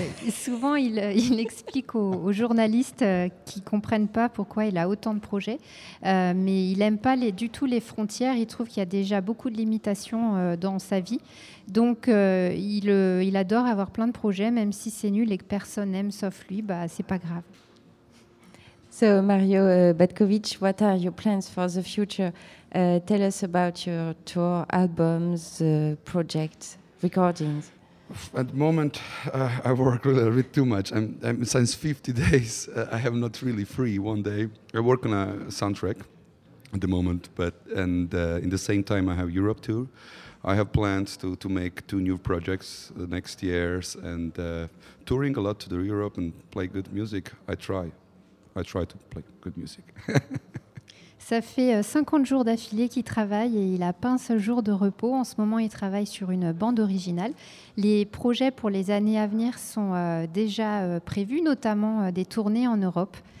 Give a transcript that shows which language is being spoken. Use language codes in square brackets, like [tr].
[fr] Souvent, il explique aux journalistes qui ne comprennent pas pourquoi il a autant de projets, mais il n'aime pas du tout les frontières. Il trouve qu'il y a déjà beaucoup de limitations dans sa vie. Donc, il adore avoir plein de projets, même si c'est nul et que personne n'aime sauf lui. Bah, c'est pas grave. [en] So, Mario Batkovic, what are your plans for the future? Tell us about your tour, albums, projects, recordings. At the moment, I work a little bit too much. I'm since 50 days, I have not really free one day. I work on a soundtrack at the moment, but in the same time, I have Europe tour. I have plans to make two new projects the next years and touring a lot to the Europe and play good music. I try to play good music. [fr] Ça fait 50 jours d'affilée qu'il travaille et il n'a pas un seul jour de repos. En ce moment, il travaille sur une bande originale. Les projets pour les années à venir sont déjà prévus, notamment des tournées en Europe.